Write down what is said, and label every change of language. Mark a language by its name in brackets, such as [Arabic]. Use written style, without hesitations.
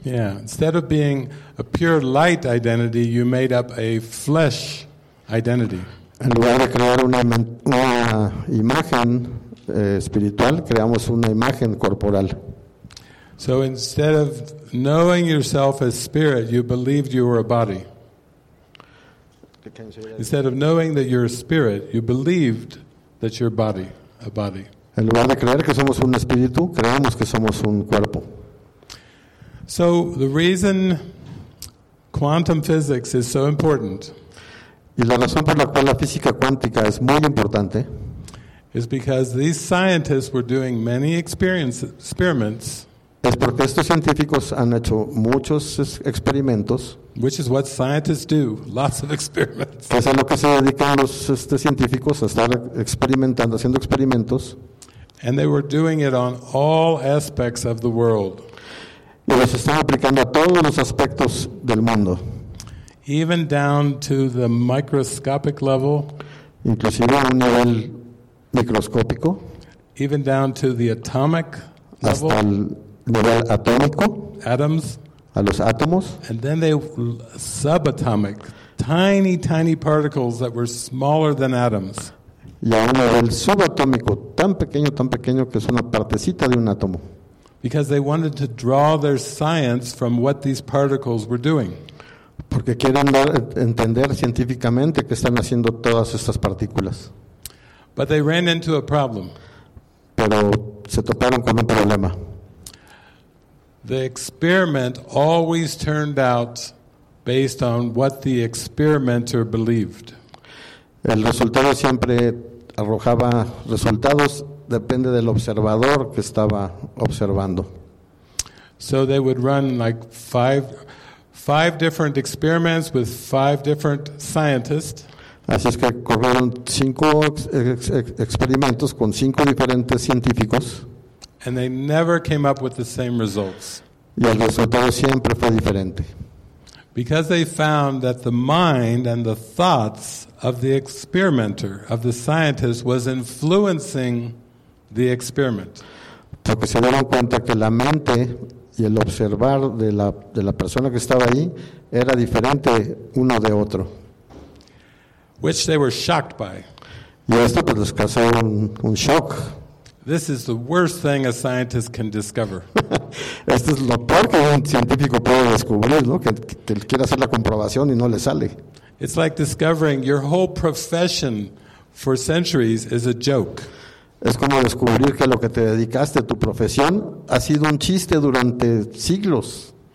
[English] Yeah, instead of being a pure light identity, you made up a flesh identity. [Spanish] En lugar de crear una imagen espiritual, creamos una imagen corporal. [English] So instead of knowing yourself as spirit, you believed you were a body. Instead of knowing that you're a spirit, you believed that you're a body. [Spanish] En lugar de creer que somos un espíritu, creemos que somos un cuerpo. [English] So the reason quantum physics is so important. [Spanish] Y la razón por la cual la física cuántica es muy importante [English] is because these scientists were doing many experiments. [Spanish] Es porque estos científicos han hecho muchos experimentos. [English] Which is what scientists do, lots of experiments. [Spanish] Que es a lo que se dedican los científicos, a estar experimentando, haciendo experimentos. [English] And they were doing it on all aspects of the world. [Spanish] Y los están aplicando a todos los aspectos del mundo. [English] Even down to the microscopic level. [Spanish] Inclusive a un nivel microscópico. [English] Even down to the atomic level. [Spanish] Hasta el nivel atómico. [English] Atoms. [Spanish] A los átomos. [English] And then they subatomic. Tiny, tiny particles that were smaller than atoms. [Spanish] Y a un nivel subatómico, tan pequeño, que es una partecita de un átomo. [English] Because they wanted to draw their science from what these particles were doing. [Spanish] Porque quieren entender científicamente qué están haciendo todas estas partículas. [English] But they ran into a problem. [Spanish] Pero se toparon con un problema. [English] The experiment always turned out based on what the experimenter believed. [Spanish] El resultado siempre arrojaba resultados depende del observador que estaba observando. [English] So they would run like five different experiments with five different scientists. [Spanish] Así es que corrieron cinco experimentos con cinco diferentes científicos. [English] And they never came up with the same results. [Spanish] Y el resultado siempre fue diferente. [English] Because they found that the mind and the thoughts of the experimenter, of the scientist, was influencing the experiment. [Spanish] Porque se dieron cuenta que la mente y el observar de la persona que estaba ahí era diferente uno de otro. [English] Which they were shocked by. [Spanish] Y esto pues les causó un shock. [English] This is the worst thing a scientist can discover. [Spanish] Esto es lo peor que un científico puede descubrir, ¿no? Que quiere hacer la comprobación y no le sale. [English] It's like discovering your whole profession for centuries is a joke. [Spanish] Es como descubrir que lo que te dedicaste, tu profesión, ha sido un chiste durante siglos.